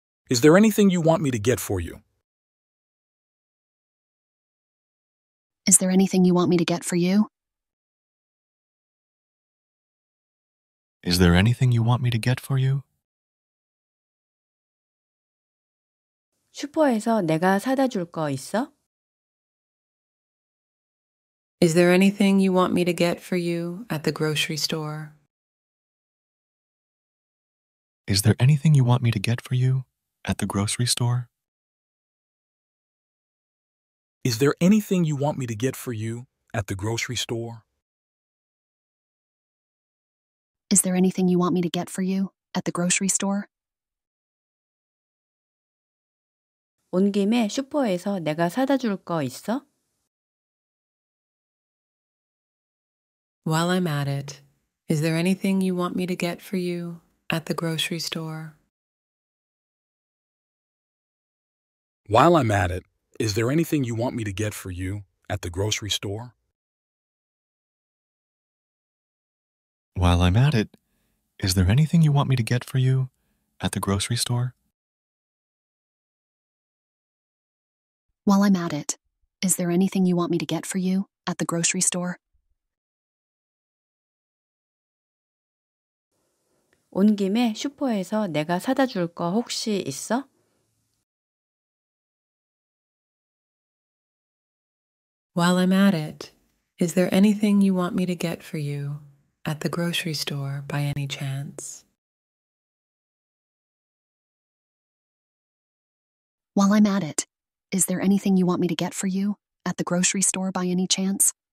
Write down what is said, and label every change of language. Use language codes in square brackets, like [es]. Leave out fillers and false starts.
[en] Is there anything you want me to get for you? Is there anything you want me to get for you? Is there anything you want me to get for you? [ko] 슈퍼에서 내가 사다 줄 거 있어? [en] Is there anything you want me to get for you at the grocery store? Is there anything you want me to get for you at the grocery store? Is there anything you want me to get for you at the grocery store? Is there anything you want me to get for you at the grocery store? [ko] 온 김에 슈퍼에서 내가 사다 줄 거 있어? [en] While I'm at it, is there anything you want me to get for you at the grocery store? While I'm at it, is there anything you want me to get for you at the grocery store? While I'm at it, is there anything you want me to get for you at the grocery store? While I'm at it, is there anything you want me to get for you at the grocery store? [ko] 온 김에 슈퍼에서 내가 사다 줄 거 혹시 있어? [en] While I'm at it, is there anything you want me to get for you at the grocery store by any chance? While I'm at it, is there anything you want me to get for you at the grocery store by any chance?